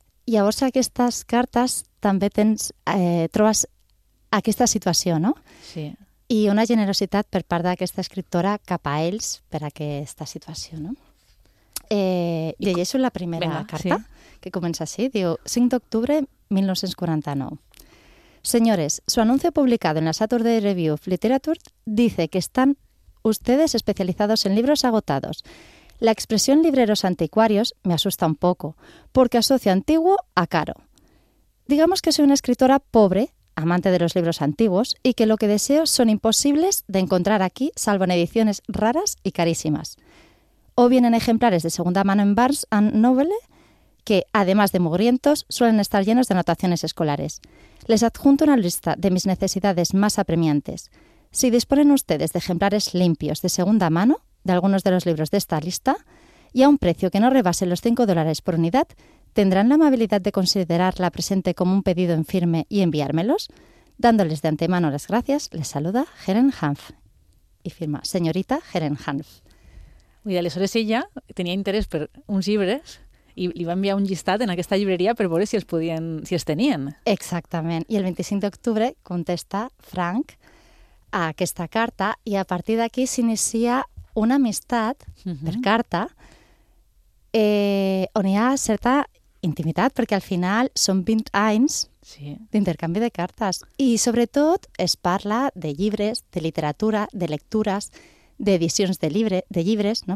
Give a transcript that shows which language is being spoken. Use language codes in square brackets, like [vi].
[ca] Llavors, aquestes cartes també trobes aquesta situació, no? Sí. I una generositat per part d'aquesta escriptora cap a ells per aquesta situació, no? Llegeixo la primera carta, que comença així. Diu, 5 d'octubre 1949. [es] Señores, su anuncio publicado en la Saturday Review of Literature dice que están ustedes especializados en libros agotados. La expresión libreros anticuarios me asusta un poco, porque asocio antiguo a caro. Digamos que soy una escritora pobre, amante de los libros antiguos, y que lo que deseo son imposibles de encontrar aquí, salvo en ediciones raras y carísimas. O bien en ejemplares de segunda mano en Barnes and Noble, que, además de mugrientos, suelen estar llenos de anotaciones escolares. Les adjunto una lista de mis necesidades más apremiantes. Si disponen ustedes de ejemplares limpios de segunda mano, de algunos de los libros de esta lista, y a un precio que no rebase los $5 por unidad, ¿tendrán la amabilidad de considerar la presente como un pedido en firme y enviármelos? Dándoles de antemano las gracias, les saluda Helen Hanf. [ca] i firma Senyorita Herenhanf. I aleshores ella tenia interès per uns llibres i li va enviar un llistat en aquesta llibreria per veure si els podien, si els tenien. Exactament. I el 25 d'octubre contesta Frank a aquesta carta i a partir d'aquí s'inicia una amistat per carta on hi ha certa intimitat perquè al final són 20 anys d'intercanvi de cartes i sobretot es parla de llibres, de literatura, de lectures, d'edicions de llibres, no?